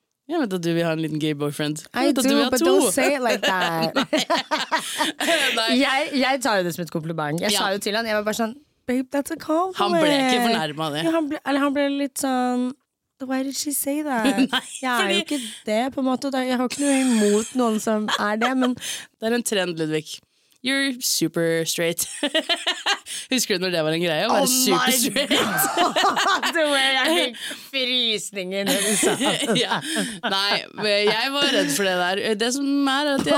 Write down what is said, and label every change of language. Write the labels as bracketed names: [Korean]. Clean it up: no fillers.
[Norwegian] Jeg vet at du vil ha en liten gay boyfriend. [English] Don't say it like that. [Norwegian] Jeg tar jo det som et kompliment. Jeg sa jo til han, jeg var bare sånn, [English] babe, that's a call for [Norwegian] han [English] me. [Norwegian] Han ble ikke fornærmet det. Han ble litt sånn, [English] why did she say that? [Norwegian] Nei, jeg er jo ikke det på en måte. Jeg har ikke noe imot noen som er det. Men det er en trend, Ludvig. [English] You're super straight. [Norwegian] Husker du når det var en greie? Å, [English] super straight. [Norwegian] Det var jeg fikk frysningen. Ja. Nei, jeg var redd for det der. Det som er at jeg...